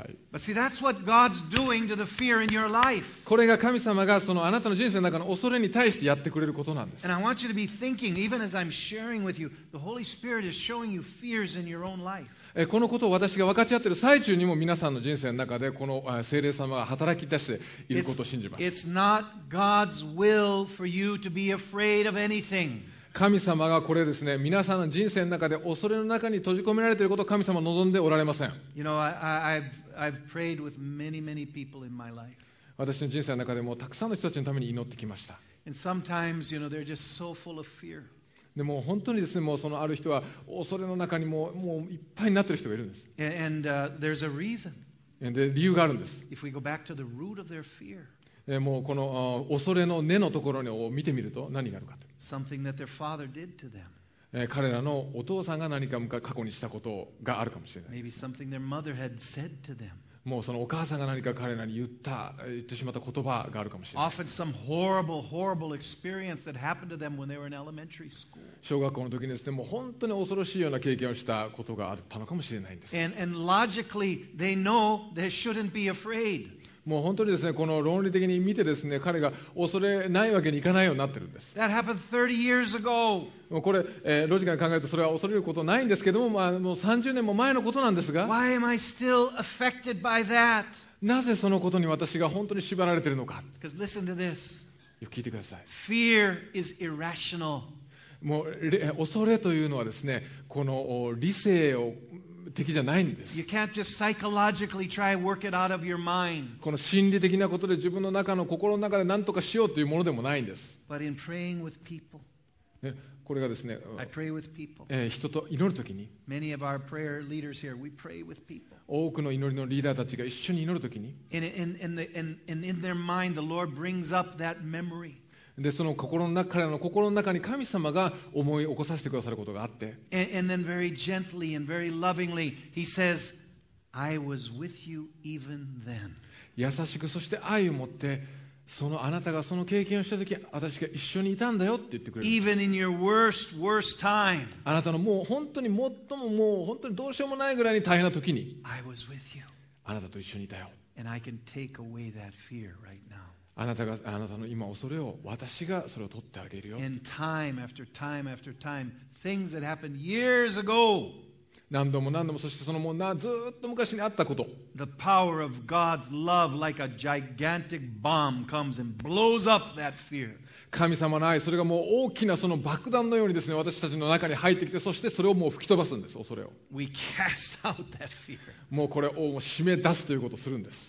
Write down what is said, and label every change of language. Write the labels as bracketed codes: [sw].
[en] But see, that's what God's doing to the fear in your life. [ja] これが神様がそのあなたの人生の中の恐れに対してやってくれることなんです。 [en] And I want you to be thinking, even as I'm sharing with you, the Holy Spirit is showing you fears in your own life. [ja] このことを私が分かち合っている最中にも皆さんの人生の中でこの聖霊様が働き出していることを信じます。 [en] It's not God's will for you to be afraid of anything. [ja] 神様がこれですね、皆さんの人生の中で恐れの中に閉じ込められていることを神様は望んでおられません。 [en] You know, I've prayed with many, many people in my life. [ja] 私の人生の中でもたくさんの人たちのために祈ってきました。 [en] And sometimes, you know, they're just so full of fear. [ja] でも本当にですね、もうそのある人は恐れの中にもういっぱいになってる人がいるんです。 [en] And, there's a reason. [ja] で理由があるんです。 [en] If we go back to the root of their fear. [ja] もうこの恐れの根のところを見てみると何があるかと。 [en] Something that their father did to them. [ja] 彼らのお父さんが何か過去にしたことがあるかもしれない。 [en] Maybe something their mother had said to them. [ja] もうそのお母さんが何か彼らに言ってしまった言葉があるかもしれない。 [en] Often some horrible, horrible experience that happened to them when they were in elementary school. [ja] 小学校の時にですね、もう本当に恐ろしいような経験をしたことがあったのかもしれないんです。 [en] And logically, they know they shouldn't be afraid. [ja] もう本当にですね、この論理的に見てですね、彼が恐れないわけにいかないようになってるんです。 [en] That happened 30 years ago. [ja] もうこれ、ロジカルに考えるとそれは恐れることないんですけども、まあ、もう30年も前のことなんですが。 [en] Why am I still affected? [ja] なぜそのことに私が本当に縛られているのか。 [en] Because listen to this. [ja] よく聞いてください。 [en] Fear is irrational. [ja] もう恐れというのはですね、この理性を敵じゃないんです。 [en] You can't just psychologically try work it out of your mind. [ja] この心理的なことで自分の中の心の中で何とかしようというものでもないんです。 [en] But in praying with people. [ja] これがですね、 [en] I pray with people. [ja] 人と祈るときに、 [en] Many of our prayer leaders here, we pray with people. [ja] 多くの祈りのリーダーたちが一緒に祈るときに、 [en] And in their mind, the Lord brings up that memory. [ja] で、その彼らの心の中に神様が思い起こさせてくださることがあって、 [en] And then very gently and very lovingly, he says, I was with you even then. [ja] 優しくそして愛を持って、そのあなたがその経験をしたとき、私が一緒にいたんだよって言ってくれる。 [en] Even in your worst time, [ja] あなたのもう本当に最ももう本当にどうしようもないぐらいに大変なときに、 [en] I was with you. [ja] あなたと一緒にいたよ。 [en] And I can take away that fear right now. [ja] あなたの今恐れを私がそれを取ってあげるよ。 [en] And time after time after time, things that happened years ago. [ja] 何度も何度も、そしてそのもうずっと昔にあったこと。 [en] The power of God's love, like a gigantic bomb, comes and blows up that fear. [ja] 神様の愛、それがもう大きなその爆弾のようにですね、私たちの中に入ってきて、そしてそれをもう吹き飛ばすんです、恐れを。 [en] We cast out that fear. [ja] もうこれを締め出すということをするんです。